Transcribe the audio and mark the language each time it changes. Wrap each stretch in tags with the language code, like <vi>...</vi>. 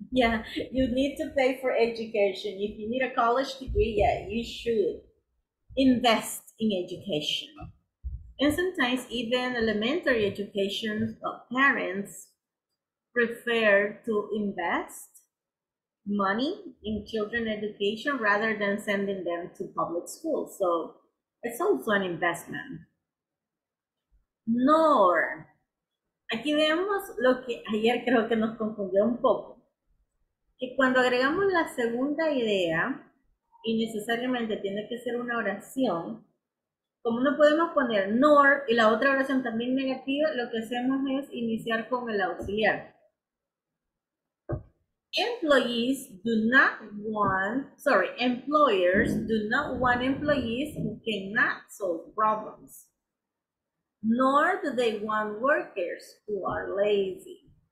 <en>Yeah, you need to pay for education. If you need a college degree, yeah, you should invest in education. And sometimes even elementary education, parents prefer to invest money in children's education rather than sending them to public schools. So it's also an investment.</en> <es>Nor, aquí vemos lo que ayer creo que nos confundió un poco, que cuando agregamos la segunda idea, y necesariamente tiene que ser una oración, como no podemos poner nor y la otra oración también negativa, lo que hacemos es iniciar con el auxiliar.</es> <en>Employees do not want, sorry, employers do not want employees who cannot solve problems. Nor do they want workers who are lazy.</en>